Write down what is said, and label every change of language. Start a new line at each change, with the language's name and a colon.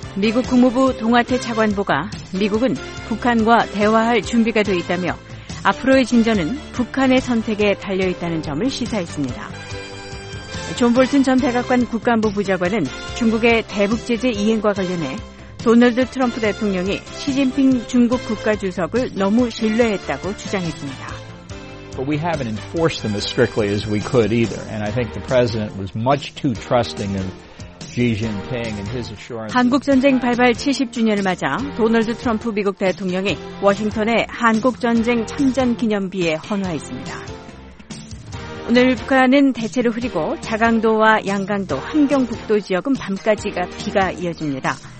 Korean: 미국 국무부 동아태 차관보가 미국은 북한과 대화할 준비가 되어 있다며 앞으로의 진전은 북한의 선택에 달려있다는 점을 시사했습니다. 존 볼튼 전 백악관 국가안보 부장관은 중국의 대북 제재 이행과 관련해 도널드 트럼프 대통령이 시진핑 중국 국가주석을 너무 신뢰했다고 주장했습니다.
English: But we haven't enforced them as strictly as we could either. And I think the president was much too trusting of Xi Jinping and his assurance.
Korean: 한국전쟁 발발 70주년을 맞아 도널드 트럼프 미국 대통령이 워싱턴에 한국전쟁 참전 기념비에 헌화했습니다. 오늘 북한은 대체로 흐리고 자강도와 양강도, 함경북도 지역은 밤까지가 비가 이어집니다.